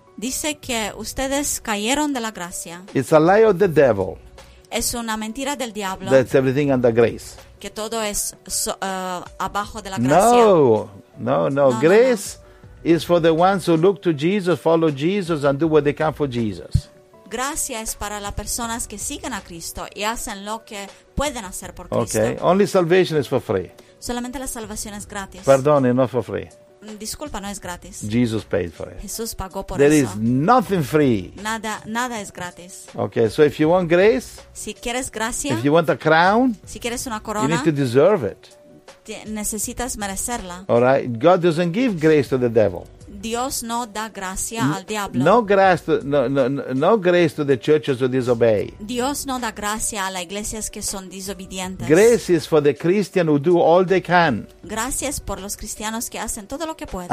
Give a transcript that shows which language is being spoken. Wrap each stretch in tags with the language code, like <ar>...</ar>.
<es>Dice que ustedes cayeron de la gracia.</es> <en>It's a lie of the devil.</en> <es>Es una mentira del diablo.</es> <en>That's everything under grace.</en> <es>Que todo es abajo de la gracia. No.</es> <en>Grace is for the ones who look to Jesus, follow Jesus, and do what they can for Jesus.</en> <es>Gracia es para las personas que siguen a Cristo y hacen lo que pueden hacer por Cristo.</es> <en>Okay, only salvation is for free.</en> <es>Solamente la salvación es gratis.</es> <en>Pardon, not for free.</en> <es>Disculpa, no es gratis.</es> <en>Jesus paid for it.</en> <es>Jesús pagó por</es> <en>There</en> <es>eso.</es> <en>There is nothing free.</en> <es>Nada es gratis.</es> <en>Okay, so if you want grace,</en> <es>si quieres gracia,</es> <en>if you want a crown,</en> <es>si quieres una corona,</es> <en>you need to deserve it.</en> <es>Necesitas merecerla.</es> <en>All right, God doesn't give grace to the devil.</en> <es>Dios no da gracia al diablo.</es> <en>No grace to the churches who disobey.</en> <es>Dios no da gracia a las iglesias que son desobedientes.</es> <en>Grace is for the Christian who do all they can.</en> <es>Gracia es por los cristianos que hacen todo lo que pueden.</es>